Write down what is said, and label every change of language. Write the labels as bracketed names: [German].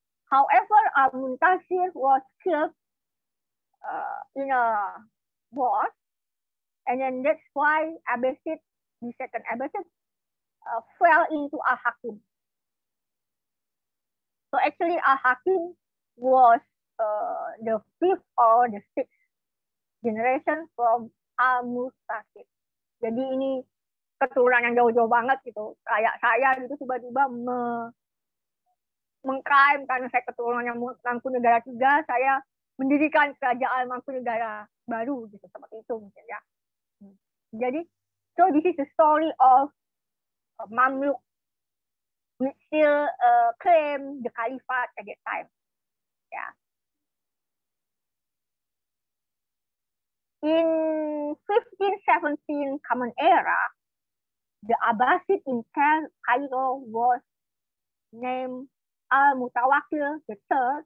[English] However, Al-Muntazir was killed in a war, and then that's why Abbasid, the second Abbasid, fell into Al-Hakim. So actually Al-Hakim was the fifth or the sixth generation from Al-Mustaqim. [Indonesian] Jadi ini keturunan yang jauh-jauh banget gitu. Kayak saya gitu tiba-tiba mengklaim karena saya keturunan yang Mangkunegara III, saya mendirikan kerajaan Mangkunegara baru gitu, seperti itu mungkin ya. Jadi [English] so this is the story of Mamluk which still claim the caliphate at that time. Yeah. In 1517 Common Era, the Abbasid in Cairo was named Al-Mutawakkil III.